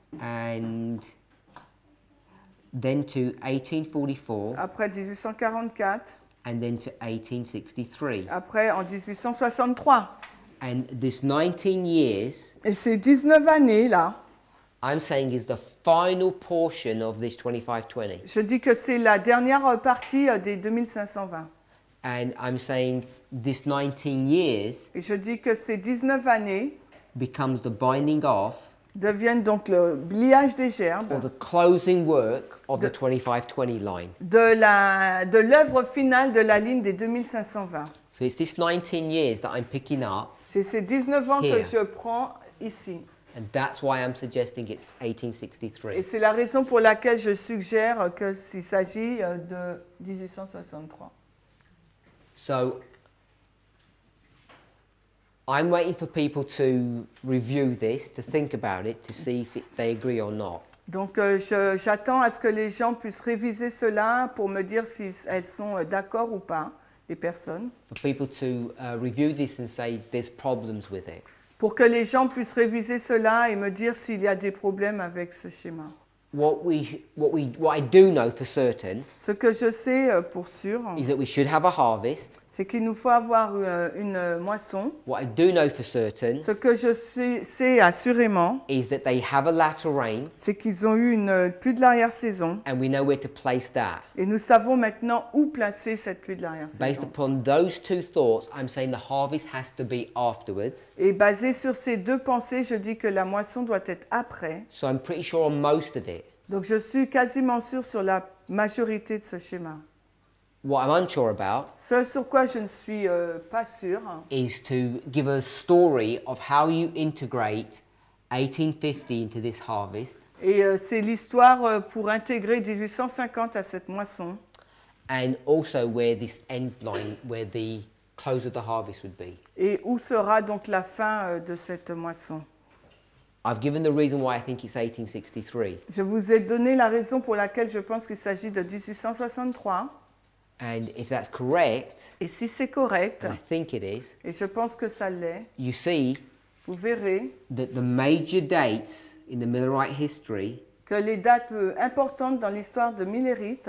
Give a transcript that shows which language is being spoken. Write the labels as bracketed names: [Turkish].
[English] And then to 1844. [French] Après 1844. [English] And then to 1863. [French] Après en 1863. [English] And this 19 years. [French] Et ces 19 années là. [English] I'm saying is the final portion of this 2520. [French] Je dis que c'est la dernière partie des 2520. [English] And I'm saying this 19 years. [French] Et je dis que ces 19 années [English] becomes the binding off. [French] Deviennent donc le liage des gerbes. [English] Or the closing work of the 2520 line. [French] De l'œuvre finale de la ligne des 2520. [English] So it's this 19 years that I'm picking up. [French] C'est ces 19 ans [English] here. [French] Que je prends ici. [English] And that's why I'm suggesting it's 1863. [French] Et c'est la raison pour laquelle je suggère que s'il s'agit de 1863. [English] So I'm waiting for people to review this, to think about it, to see if they agree or not. [French] Donc, j'attends à ce que les gens puissent réviser cela pour me dire si elles sont d'accord ou pas, les personnes. [English] For people to review this and say there's problems with it. [French] Pour que les gens puissent réviser cela et me dire s'il y a des problèmes avec ce schéma. [English] What I do know for certain. [French] Ce que je sais pour sûr. [English] Is that we should have a harvest. [French] C'est qu'il nous faut avoir une moisson. [English] What I do know for certain. [French] Ce que je sais assurément. [English] Is that they have a latter rain. [French] C'est qu'ils ont eu une pluie de l'arrière saison. [English] And we know where to place that. [French] Et nous savons maintenant où placer cette pluie de l'arrière saison. [English] Based upon those two thoughts, I'm saying the harvest has to be afterwards. [French] Et basé sur ces deux pensées, je dis que la moisson doit être après. [English] So I'm pretty sure on most of it. [French] Donc je suis quasiment sûr sur la majorité de ce schéma. [English] What I'm unsure about. [French] Ce sur quoi je ne suis pas sûr. [English] Is to give a story of how you integrate 1850 into this harvest. [French] Et c'est l'histoire pour intégrer 1850 à cette moisson. [English] And also where this end line, where the close of the harvest would be. [French] Et où sera donc la fin de cette moisson. [English] I've given the reason why I think it's 1863. [French] Je vous ai donné la raison pour laquelle je pense qu'il s'agit de 1863. [English] And if that's correct, [French] et si c'est correct, [English] I think it is, [French] et je pense que ça l'est, [English] you see, [French] vous verrez, [English] that the major dates in the Millerite history, [French] que les dates importantes dans l'histoire de Millerite,